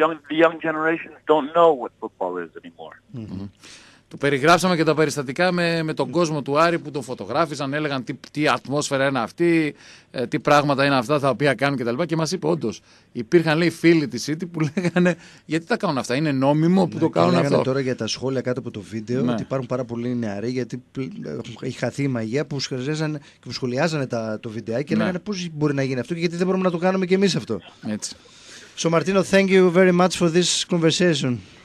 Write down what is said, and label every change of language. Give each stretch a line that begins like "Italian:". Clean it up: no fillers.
English: The young generations don't know what football is anymore. Mm-hmm.
Greek: Του περιγράψαμε και τα περιστατικά με τον κόσμο του Άρη που τον φωτογράφησαν, έλεγαν τι ατμόσφαιρα είναι αυτή, τι πράγματα είναι αυτά τα οποία κάνουν κτλ. Και μας είπε όντως, υπήρχαν λέει φίλοι της City που λέγανε γιατί τα κάνουν αυτά, είναι νόμιμο που το κάνουν αυτό. Λέγανε τώρα για τα σχόλια κάτω από το βίντεο ότι υπάρχουν πάρα πολλοί νεαροί γιατί έχει χαθεί η μαγεία που σχολιάζανε το βίντεο και λέγανε πώς μπορεί να γίνει αυτό και γιατί δεν μπορούμε να το κάνουμε κι εμείς αυτό. Έτσι.
English: So Martino, thank you very much for this conversation.